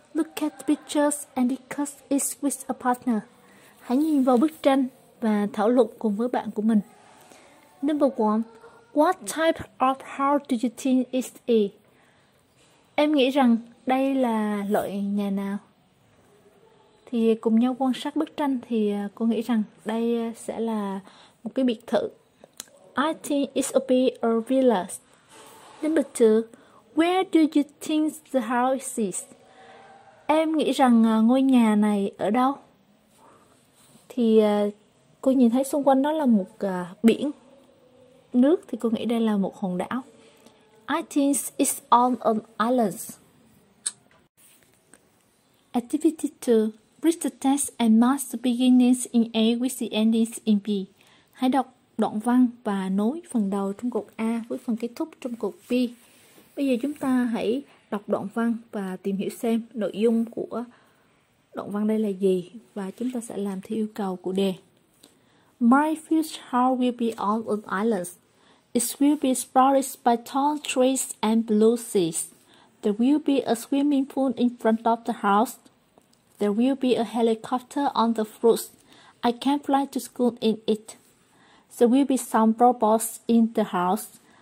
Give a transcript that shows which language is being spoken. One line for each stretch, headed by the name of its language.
English: Look at pictures and discuss it with a partner.
Vietnamese: Hãy nhìn vào bức tranh và thảo luận cùng với bạn của mình.
English: Number 1. What type of house do you think it is?
Vietnamese: Em nghĩ rằng đây là loại nhà nào? Thì cùng nhau quan sát bức tranh thì cô nghĩ rằng đây sẽ là một cái biệt thự.
English: I think it will be a villa. Number 2. Where do you think the house is?
Vietnamese: Em nghĩ rằng ngôi nhà này ở đâu? Thì cô nhìn thấy xung quanh đó là một biển. Nước thì cô nghĩ đây là một hòn đảo.
English: I think it's on an island. Activity 2. Read the text and mark the beginnings in A with the endings in B.
Vietnamese: Hãy đọc đoạn văn và nối phần đầu trong cột A với phần kết thúc trong cột B. Bây giờ chúng ta hãy đọc đoạn văn và tìm hiểu xem nội dung của đoạn văn đây là gì và chúng ta sẽ làm theo yêu cầu của đề.
English: My future house will be on an island. It will be surrounded by tall trees and blue seas. There will be a swimming pool in front of the house. There will be a helicopter on the roof. I can fly to school in it. There will be some robots in the house.